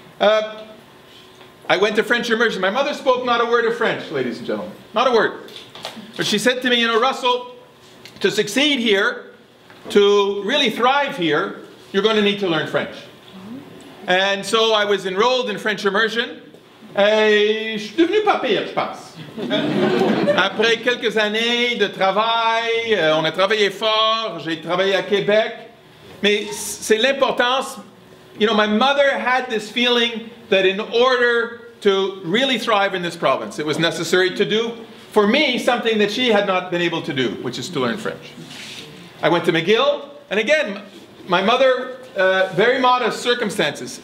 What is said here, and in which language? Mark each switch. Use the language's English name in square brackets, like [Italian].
[English] I went to French immersion. My mother spoke not a word of French, ladies and gentlemen. Not a word. But she said to me, you know, Russell, to succeed here, to really thrive here, you're going to need to learn French. And so I was enrolled in French immersion. [French] Et je suis devenu pas pire, je pense. Après quelques années de travail, on a travaillé fort, j'ai travaillé à Québec. Mais c'est l'importance. [English] You know, my mother had this feeling that in order to really thrive in this province, it was necessary to do, for me, something that she had not been able to do, which is to learn French. I went to McGill, and again, my mother, very modest circumstances.